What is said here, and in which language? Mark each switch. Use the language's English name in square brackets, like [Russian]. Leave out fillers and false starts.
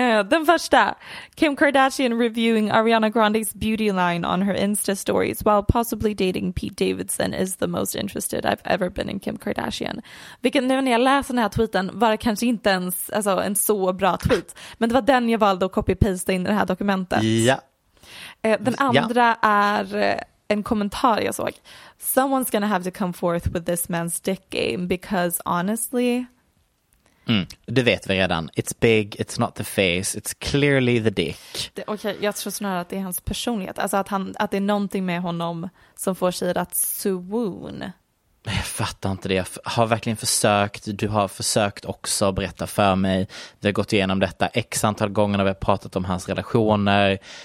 [English] Den första, Kim Kardashian reviewing Ariana Grande's beauty line on her Insta stories while possibly dating Pete Davidson is the most interested I've ever been in Kim Kardashian. [Swedish] Vilket nu när jag läser den här tweeten var kanske inte ens alltså, en så bra tweet, men det var den jag valde att copy-paste in i det här dokumentet. [English] Yeah. [Swedish] Den andra är en kommentar jag såg. [English] Someone's gonna have to come forth with this man's dick game because honestly... [Swedish] Det vet vi redan. [English] It's big, it's not the face, it's clearly the dick. [Swedish] Okej, jag tror snarare att det är hans personlighet. Alltså att det är någonting med honom som får sig att swoon. Jag fattar inte det. Jag har verkligen försökt. Du har försökt också berätta för mig. Vi har gått igenom detta x antal gånger när vi har pratat om hans relationer.